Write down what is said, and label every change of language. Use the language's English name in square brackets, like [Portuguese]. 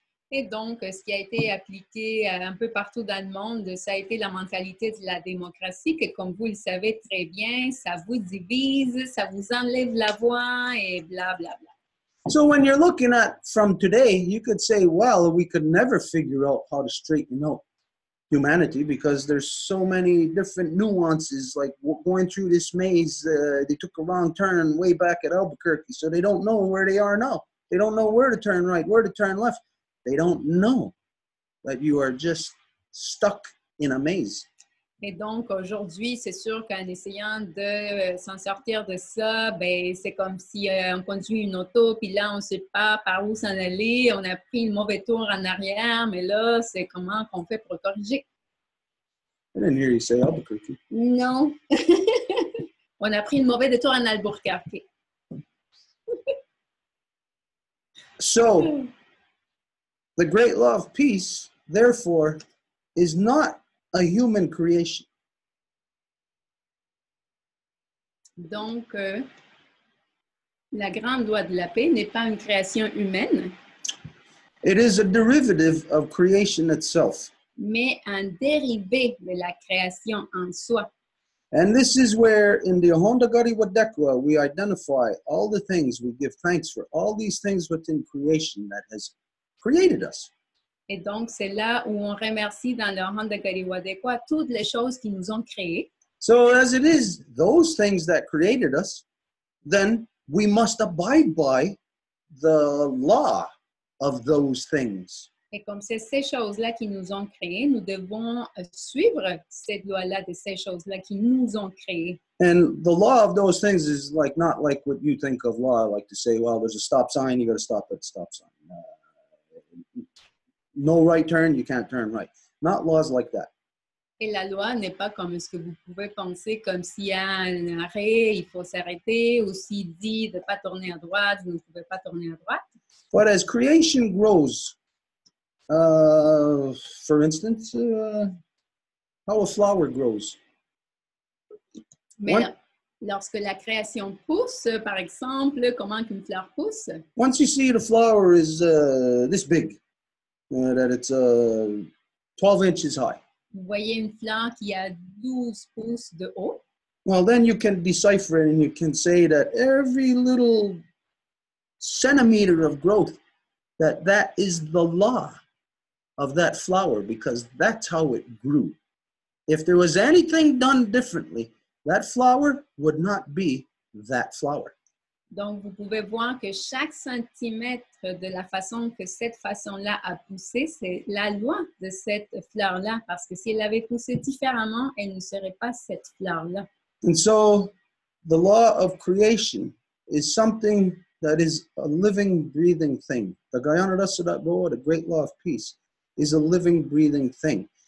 [French] Et donc, ce qui a été appliqué un peu partout dans le monde, ça a été la mentalité de la démocratie, que comme vous le savez très bien, ça vous divise, ça vous enlève la voix et bla bla bla. [English] So when you're looking at from today, you could say, well, we could never figure out how to straighten out humanity because there's so many different nuances, like going through this maze, they took a wrong turn way back at Albuquerque, so they don't know where they are now. They don't know where to turn right, where to turn left. They don't know that you are just stuck in a maze. [French] Et donc, aujourd'hui, c'est sûr qu'en essayant de s'en sortir de ça, ben, c'est comme si on conduit une auto, puis là, on ne sait pas par où s'en aller. On a pris une mauvaise tour en arrière, mais là, c'est comment qu'on fait pour corriger. [English] I didn't hear you say Albuquerque. [French] Non. On a pris une mauvaise tour en Albuquerque. [English] So, the great law of peace, therefore, is not a human creation. [French] Donc, la grande loi de la paix n'est pas une création humaine. [English] It is a derivative of creation itself. [French] Mais un dérivé de la création en soi. [English] And this is where, in the Ahondagari Wadekwa, we identify all the things, we give thanks for all these things within creation that has created us. [French] Et donc, c'est là où on remercie dans le Ahondagari Wadekwa toutes les choses qui nous ont créées. [English] So, as it is, those things that created us, then we must abide by the law of those things. [French] Et comme c'est ces choses-là qui nous ont créés, nous devons suivre cette loi-là de ces choses-là qui nous ont créés. [English] And the law of those things is like not like what you think of law, like to say, well, there's a stop sign, you got to stop at the stop sign. No right turn, you can't turn right. Not laws like that. [French] Et la loi n'est pas comme ce que vous pouvez penser, comme s'il y a un arrêt, il faut s'arrêter, ou s'il dit de ne pas tourner à droite, vous ne pouvez pas tourner à droite. [English] But as creation grows, for instance, how a flower grows. [French] Mais lorsque la création pousse, par exemple, comment qu'une fleur pousse? [English] Once you see the flower is this big, that it's 12 inches high. [French] Vous voyez une fleur qui a 12 pouces de haut? [English] Well, then you can decipher it and you can say that every little centimeter of growth, that is the law of that flower, because that's how it grew. If there was anything done differently, that flower would not be that flower. [French] Donc, vous pouvez voir que chaque centimètre de la façon que cette façon-là a poussé, c'est la loi de cette fleur-là, parce que si elle avait poussé différemment, elle ne serait pas cette fleur-là. [English] And so, the law of creation is something that is a living, breathing thing. The Gayanarasa.go, the great law of peace, is a living, breathing thing.